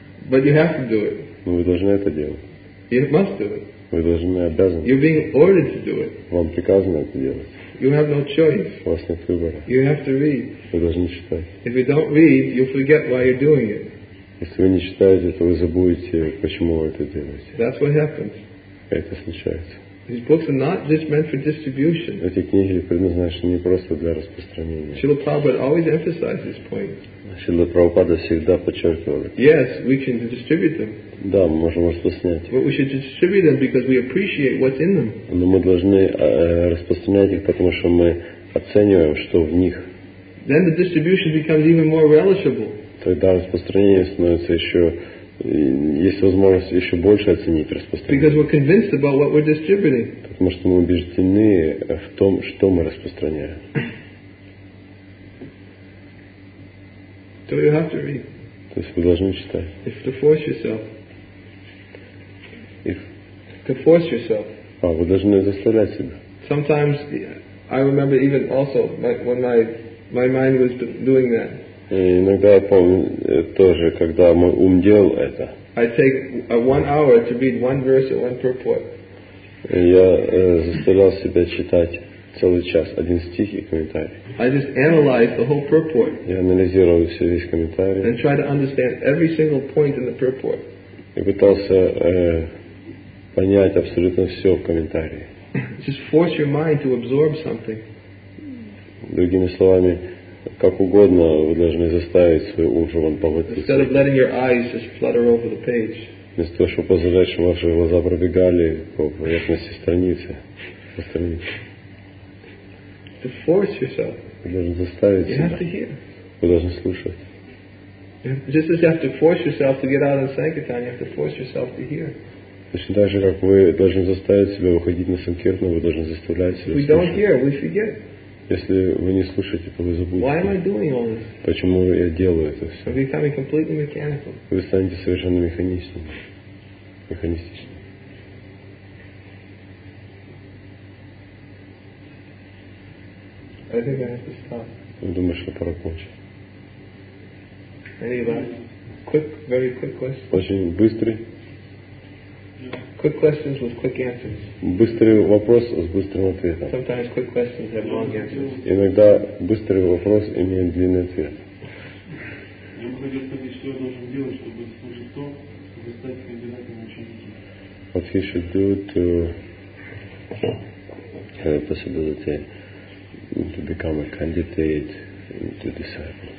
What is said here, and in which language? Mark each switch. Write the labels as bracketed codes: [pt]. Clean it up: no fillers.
[en] But you have to do it. [ru] Но вы должны это делать. [en] You must do it. [ru] Вы должны, обязаны. [en] You're being ordered to do it. [ru] Вам приказано это делать. [en] You have no choice. [ru] У вас нет выбора. [en] You have to read. [ru] Вы должны читать. [en] If you don't read, you'll forget why you're doing it. [ru] Если вы не читаете, то вы забудете, почему вы это делаете. [en] That's what happens. [ru] Это случается. [en] These books are not just meant for distribution. [ru] Эти книги предназначены не просто для распространения. [en] Srila Prabhupada always emphasized this point. [ru] Srila Prabhupada всегда подчеркивал это. [en] Yes, we can distribute them. [ru] Да, мы можем распространять. [en] But we should distribute them because we appreciate what's in them. [ru] Но мы должны распространять их, потому что мы оцениваем, что в них. [en] Then the distribution becomes even more relishable. [ru] Тогда распространение становится еще. Есть возможность еще больше оценить распространение. [en] Because we're convinced about what we're distributing. [ru] Потому что мы убеждены в том, что мы распространяем. [en] So you have to read. [ru] То есть вы должны читать. [en] If to force yourself. If. To force yourself. [ru] А вы должны заставлять себя. [en] Sometimes I remember even also when my mind was doing that. [ru] И иногда я помню тоже, когда мой ум делал это. [en] I take one hour to read one verse or one purport. [ru] Я заставлял себя читать целый час один стих и комментарий. [en] I just analyze the whole purport. [ru] Я анализировал весь комментарий. [en] And try to understand every single point in the purport. [ru] И пытался понять абсолютно все в комментарии. [en] Just force your mind to absorb something. [ru] Другими словами. Как угодно вы должны заставить свой ум, чтобы он поглотился. [en] Instead of letting your eyes just flutter over the page. [ru] Вместо того, чтобы позволять, чтобы ваши глаза пробегали по поверхности страницы. [en] To force yourself. [ru] Вы должны заставить [en] себя. You have to hear. [ru] Вы должны слушать. [en] Just as you have to force yourself to get out of sankirtan, you have to force yourself to hear. [ru] Точно так же, как вы должны заставить себя выходить на санкиртан, вы должны заставлять себя. [en] We don't hear, we forget. [ru] Если вы не слушаете, то вы забудете. [en] Why am I doing all this? [ru] Почему я делаю это все? [en] I'm becoming completely mechanical. [ru] Вы станете совершенно механистичным. Думаю, что пора кончить. Очень быстрый. [en] Quick questions with quick answers. [ru] Быстрый вопрос с быстрым ответом. [en] Sometimes quick questions have long answers. [ru] Иногда быстрый вопрос имеет длинный ответ. Я бы хотел сказать, что я должен делать, чтобы служить то, чтобы стать кандидатом ученики. [en] What he should do to have a possibility to become a candidate to disciple.